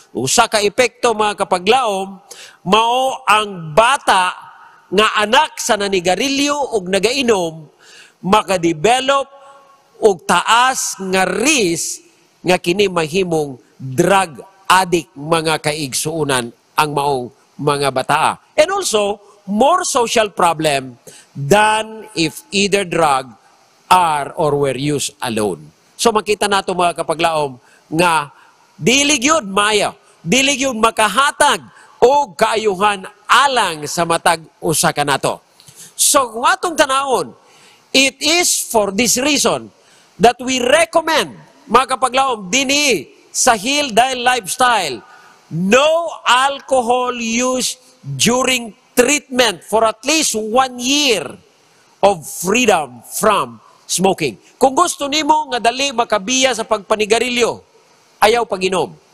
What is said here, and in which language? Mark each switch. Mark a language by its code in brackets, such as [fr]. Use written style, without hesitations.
[ceb] Usa ka epekto, mga kapaglaob, mao ang bata nga anak sa nanigarilyo o nagainom, makadevelop o taas nga risk nga kini mahimong drug addict, mga kaigsuunan, ang maong mga bata. [en] And also, more social problem than if either drug are or were used alone. [ceb] So makita nato, mga kapaglaom, nga diligyod maya, diligyod makahatag o kaayuhan alang sa matag usa ka nato. So kung atong tanaon, [en] it is for this reason that we recommend, mga kapaglaom, dini sa Heal Thy Lifestyle, no alcohol use during treatment for at least 1 year of freedom from smoking. [ceb] Kung gusto nimo nga dali makabiya sa pagpanigarilyo, ayaw paginom.